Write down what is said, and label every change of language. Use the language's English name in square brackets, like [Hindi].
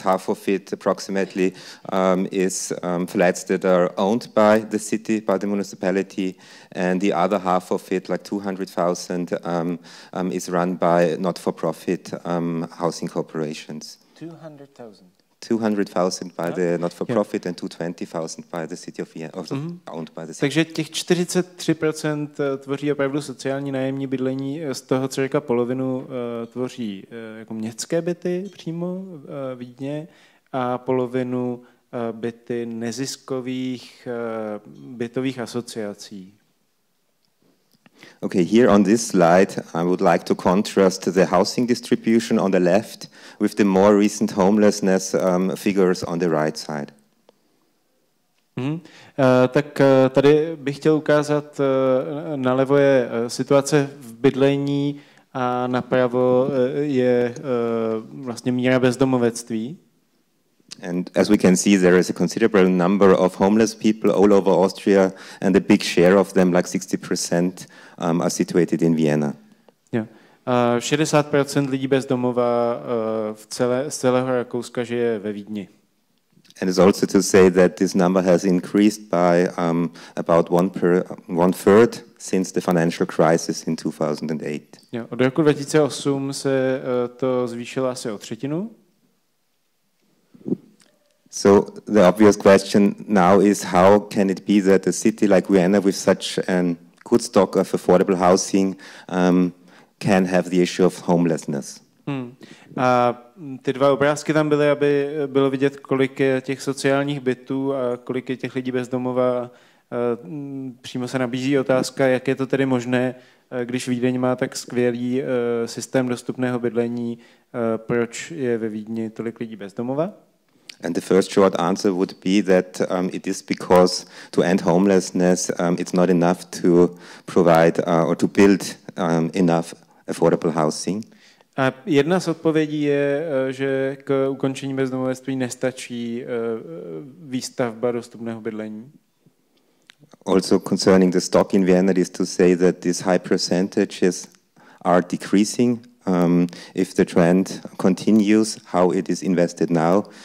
[English] Half of it, approximately, is flats that are owned by the city, by the municipality. And the other half of it, like 200,000, is run by not-for-profit housing corporations. 200,000. 200,000 by the not-for-profit and 220,000 by the city of Vienna, mm-hmm. owned by the city. [Czech] Takže těch 43% tvoří opravdu sociální nájemní bydlení, z toho cirka polovinu tvoří jako městské byty přímo v Vídně a polovinu byty neziskových bytových asociací. [English] Okay, here on this slide, I would like to contrast the housing distribution on the left with the more recent homelessness figures on the right side. Mm-hmm. [Czech] Tak tady bych chtěl ukázat, nalevo je situace v bydlení A napravo je vlastně míra bezdomovectví. [English] And as we can see, there is a considerable number of homeless people all over Austria, and a big share of them, like 60%, are situated in Vienna. Yeah. [Czech] 60% lidí bez domova z celého Rakouska žije ve Vídni. [English] And it's also to say that this number has increased by about one third since the financial crisis in 2008. Yeah. [Czech] Od roku 2008 se to zvýšilo asi o třetinu. [English] So the obvious question now is how can it be that a city like Vienna with such a good stock of affordable housing can have the issue of homelessness. [Czech] A ty dva obrázky tam byly, aby bylo vidět, kolik je těch sociálních bytů a kolik je těch lidí bez domova. Přímo se nabízí otázka, jak je to tedy možné, když Vídeň má tak skvělý systém dostupného bydlení, proč je ve Vídni tolik lidí bez domova? [English] And the first short answer would be that it is because to end homelessness, it's not enough to provide or to build enough affordable housing. [Czech] A jedna z odpovědí je, že k ukončení bezdomovectví nestačí výstavba dostupného bydlení. [English] Also concerning the stock in Vienna is to say that these high percentages are decreasing if the trend continues how it is invested now.